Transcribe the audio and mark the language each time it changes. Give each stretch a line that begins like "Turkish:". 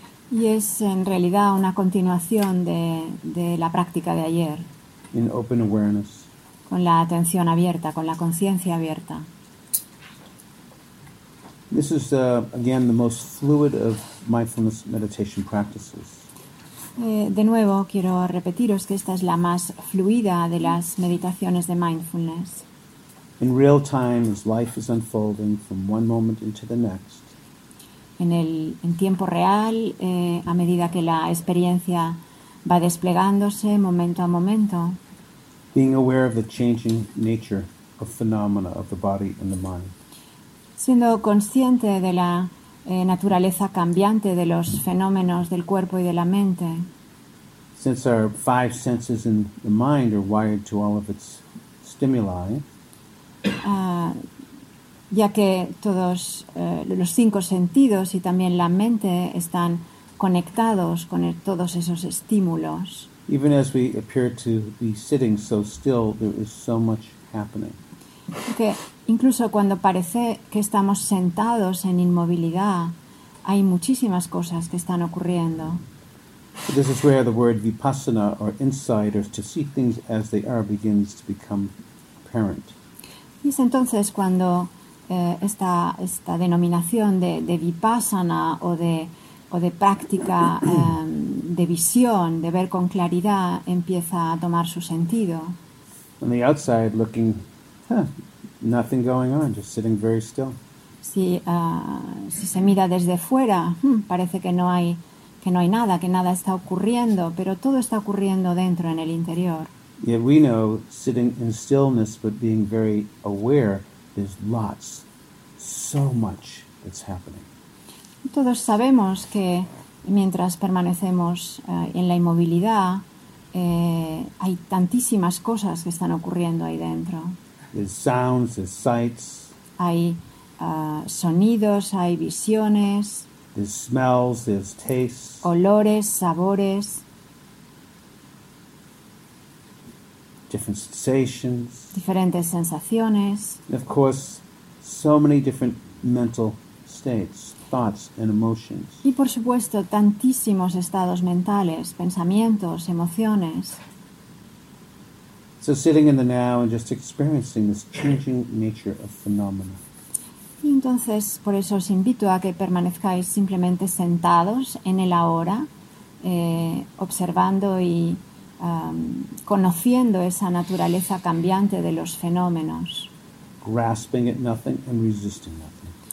Spanish: Y es en realidad una continuación de la práctica de ayer.
English: In open awareness.
Spanish: Con la atención abierta, con la conciencia abierta.
English: This is again the most fluid of mindfulness meditation practices.
Spanish: De nuevo quiero repetiros que esta es la más fluida de las meditaciones de mindfulness.
English: In real time, as life is unfolding from one moment into the next.
Spanish: En tiempo real, a medida que la experiencia va desplegándose momento a momento.
English: Being aware of the changing nature of phenomena of the body and the mind.
Spanish: Siendo consciente de la naturaleza cambiante de los fenómenos del cuerpo y de la mente.
English: Since our five senses in the mind are wired to all of its stimuli.
Spanish: Ya que todos los cinco sentidos y también la mente están conectados con todos esos estímulos.
English: Even as we appear to be sitting so still, there is so much happening.
Spanish: Que incluso cuando parece que estamos sentados en inmovilidad, hay muchísimas cosas que están ocurriendo.
English: But this is where the word vipassana or insight or to see things as they are begins to become apparent.
Spanish: Y es entonces cuando esta denominación de vipassana o de práctica de visión, de ver con claridad, empieza a tomar su sentido.
English: On the outside looking, nothing going on, just sitting very still.
Spanish: Si se mira desde fuera, parece que no hay nada, que nada está ocurriendo, pero todo está ocurriendo dentro, en el interior.
English: Yet we know, sitting in stillness but being very aware, there's lots, so much that's happening.
Spanish: Todos sabemos que mientras permanecemos en la inmovilidad, hay tantísimas cosas que están ocurriendo ahí dentro.
English: There's sounds, there's sights.
Spanish: Hay sonidos, hay visiones.
English: There's smells, there's tastes.
Spanish: Olores, sabores.
English: Different sensations.
Spanish: Diferentes sensaciones.
English: And of course, so many different mental states, thoughts and emotions.
Spanish: Y por supuesto, tantísimos estados mentales, pensamientos, emociones.
English: So sitting in the now and just experiencing this changing nature of phenomena.
Spanish: Y entonces, por eso os invito a que permanezcáis simplemente sentados en el ahora, observando y conociendo esa naturaleza cambiante de los fenómenos.
English: Grasping at nothing and resisting nothing.